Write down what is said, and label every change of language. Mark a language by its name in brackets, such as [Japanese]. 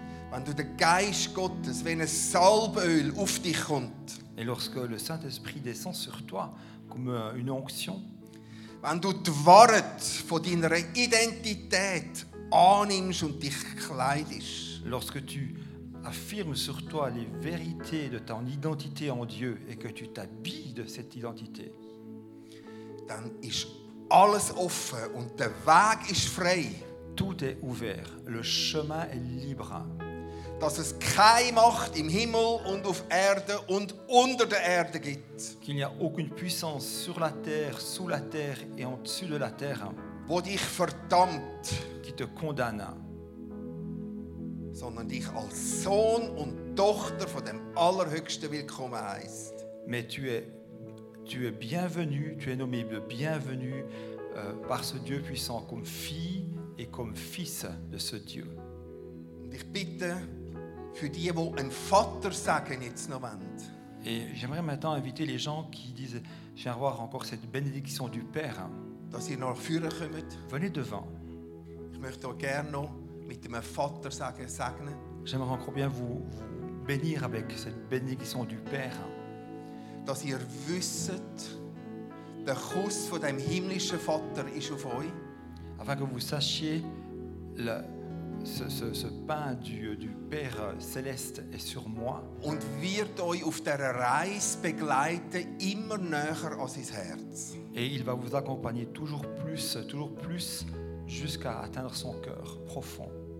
[German] Wenn du den Geist Gottes wie ein Salböl auf dich kommt. [French] Et lorsque le Saint-Esprit descend sur toi comme une onction. [German] Wenn du die Wahrheit von deiner Identität annimmst und dich kleidest. [French] Lorsque tu affirmes sur toi les vérités de ton identité en Dieu et que tu t'habilles de cette identité. [German] Dann ist alles offen und der Weg ist frei. [French] tout est ouvert, le chemin est libre. [German] Dass es keine Macht im Himmel und auf Erde und unter der Erde gibt. [French] Qu'il n'y a aucune puissance sur la terre, sous la terre et en dessus de la terre. [German] Wo dich verdammt. [French] Qui te condamne. [German] Sondern dich als Sohn und Tochter von dem Allerhöchsten willkommen heißt. [French] Mais tu es bienvenu, tu es nommé le bienvenu par ce Dieu puissant comme fille et comme fils de ce Dieu. [German] Und ich bitte für die, wo ein Vater sagen jetzt noch wollen. [French] Et j'aimerais maintenant inviter les gens qui disent j'aimerais avoir encore cette bénédiction du Père. [German] Dass ihr noch führen kommt. [French] Venez devant. [German] Ich möchte auch gerne noch mit dem Vater sagen, segnen. [French] J'aimerais encore bien vous bénir avec cette bénédiction du Père. [German] Dass ihr wisst, der Kuss von dem himmlischen Vater ist auf euch. [French] Afin que vous sachiez le ce pain du Père céleste est sur moi. [German] Und wird euch auf dieser Reise begleiten, immer näher an sein Herz. [French] Et il va vous accompagner toujours plus, jusqu'à atteindre son cœur profond.